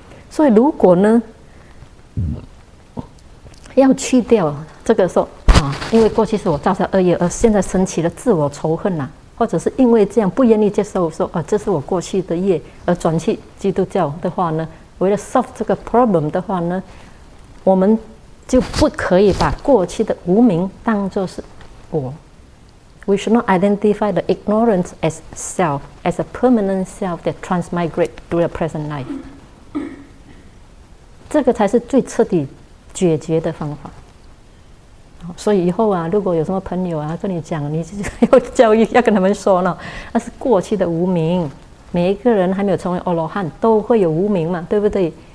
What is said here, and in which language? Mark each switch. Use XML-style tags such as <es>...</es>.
<zh>所以如果呢，要去掉这个说啊，因为过去是我造下恶业，而现在升起了自我仇恨啊，或者是因为这样不愿意接受说啊，这是我过去的业，而转去基督教的话呢，为了 solve 这个 problem 的话呢，我们。就不可以把过去的无明当作是我，</zh> <en>We should not identify the ignorance as self, as a permanent self that transmigrate through the present life.</en> <zh>这个才是最彻底解决的方法。所以以后啊，如果有什么朋友啊跟你讲，你就要教育，要跟他们说呢，那是过去的无明。每一个人还没有成为阿罗汉，都会有无明嘛，对不对？</zh>